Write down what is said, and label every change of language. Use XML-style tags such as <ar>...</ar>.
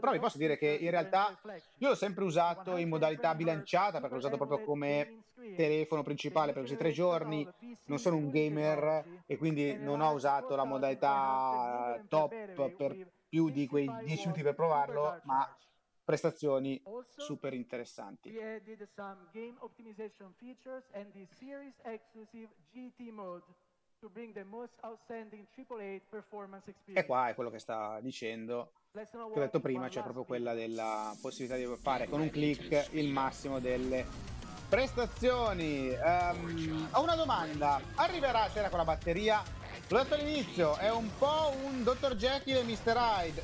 <it>Però vi posso dire che in realtà io l'ho sempre usato in modalità bilanciata, perché l'ho usato proprio come telefono principale per questi tre giorni. Non sono un gamer e quindi non ho usato la modalità top per più di quei 10 minuti per provarlo, ma prestazioni super interessanti.</it> <en>We added some game optimization features and the series exclusive GT mode to bring the most outstanding AAA performance experience.</en> <it>E qua è quello che sta dicendo, che ho detto prima, cioè proprio quella della possibilità di fare con un click il massimo delle prestazioni. Ho una domanda, arriverà a sera con la batteria? L'ho detto all'inizio, è un po' un Dr. Jekyll e Mr. Hyde.</it>